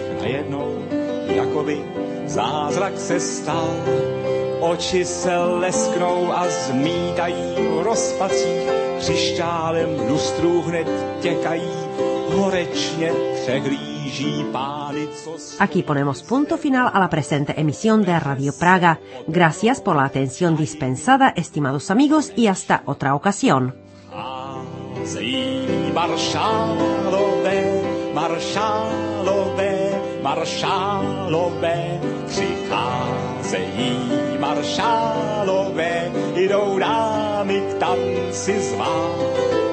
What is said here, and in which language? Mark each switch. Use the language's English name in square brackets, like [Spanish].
[Czech] Najednou, jakoby zázrak se stal, oči se lesknou a zmítají v rozpacích. Křišťálem lustrů hned těkají, horečně přehlíží pány, co... [Spanish] Aquí ponemos punto final a la presente emisión de Radio Praga. Gracias por la atención dispensada, estimados amigos, y hasta otra ocasión. [Czech] Házejí maršálové, maršálové, maršálové, přicházejí maršálové, jdou dámy k tanci zvát.